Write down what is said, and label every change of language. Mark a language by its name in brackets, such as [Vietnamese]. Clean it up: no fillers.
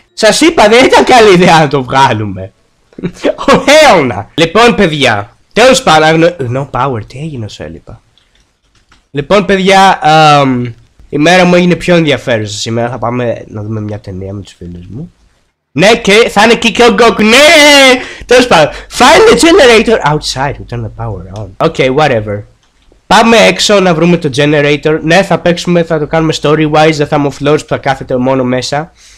[Greek] Σας είπα, δεν ήταν καλή ιδέα να το βγάλουμε. [English] Oh, hell no! [Greek] Λοιπόν, παιδιά, τέλος πάντων, [English] no power, [Greek] τι έγινε όσο έλειπα. Λοιπόν, παιδιά, η μέρα μου έγινε πιο ενδιαφέρουσα σήμερα, θα πάμε να δούμε μια ταινία με τους φίλους μου. Ναι, και θα είναι εκεί και ο Γκοκ, ναι! Τέλος πάντων, [English] find the generator outside, turn the power on. Okay, whatever. [Greek] Πάμε έξω να βρούμε το generator. Ναι, θα παίξουμε, θα το κάνουμε story-wise, δεν θα είμαι ο Φλόρς που θα κάθεται μόνο μέσα.